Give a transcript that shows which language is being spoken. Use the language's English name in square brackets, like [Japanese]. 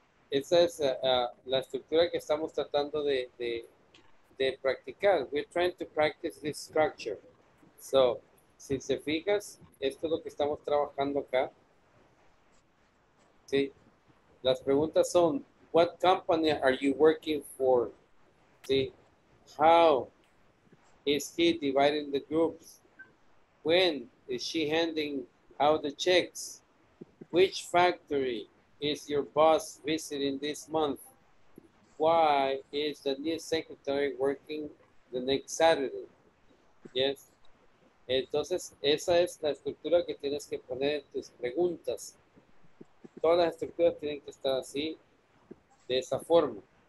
[Spanish] Esa es la estructura que estamos tratando de practicar. [English] We're trying to practice this structure. So, [Spanish] si se fijas, esto es lo que estamos trabajando acá. Sí. Las preguntas son, [English] what company are you working for? Sí. How is he dividing the groups? When is she handing out the checks? Which factory is your boss visiting this month? Why is the new secretary working the next Saturday? Yes. [Spanish] Entonces, esa es la estructura que tienes que poner en tus preguntas. Todas las estructuras tienen que estar así, de esa forma.